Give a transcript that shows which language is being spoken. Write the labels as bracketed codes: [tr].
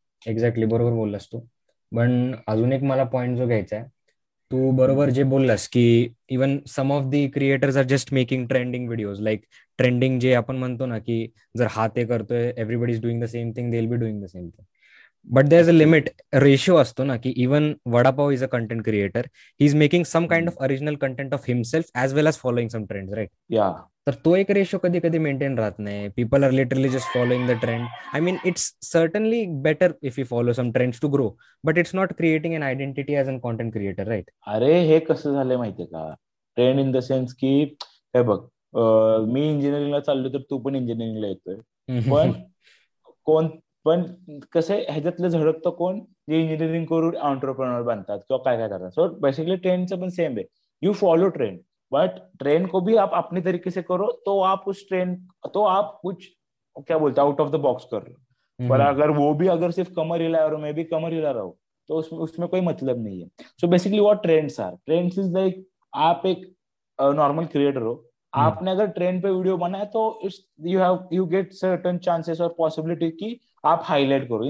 [mr] Exactly बरोबर बोललास तू. पण अजून एक मला पॉईंट जो घ्यायचा आहे, तू बरोबर जे बोललास की [en] Even some of the creators are just making trending videos, like trending जे आपण म्हणतो ना की जर हा ते करतोय everybody is doing the same thing, they will be doing the same thing. But there is a limit, [mr] ratio असतो ना की [en] Even vada pav is a content creator, he is making some kind of original content of himself as well as following some trend, right? या [mr] तर तो एक ratio कधी कधी maintain राहत नाही. [en] People are literally just following the trend. I mean it's certainly better if you follow some trends to grow, but it's not creating an identity as a content creator, right? [mr] अरे हे कसं झालंय माहितीये का, trend in the sense की हे बघ, मी इंजिनिअरिंगला चाललो तर तू पण इंजिनिअरिंगला येतोय, पण कोण, पण कसं ह्याच्यातलं झडकतं कोण, जे इंजिनिअरिंग करून एंटरप्रेन्युअर बनतात किंवा काय काय करतात. सो बेसिकली ट्रेंडचं पण सेम आहे, [en] you follow trend, but [hi] train को भी आप अपने तरीके से करो तो आप उस ट्रेन तो आप कुछ क्या बोलते हैं आउट ऑफ द बॉक्स कर रहे हो. पर अगर वो भी अगर सिर्फ कमर हिला रहा हूं, मैं भी कमर हिला रहा हूँ, तो उसमें उसमें कोई मतलब नहीं है. [en] so basically what trends are, trends is like [hi] आप एक नॉर्मल क्रिएटर हो, आपने अगर ट्रेन पे वीडियो बनाया तो [en] you get certain chances [hi] और पॉसिबिलिटी की आप हाईलाइट करो.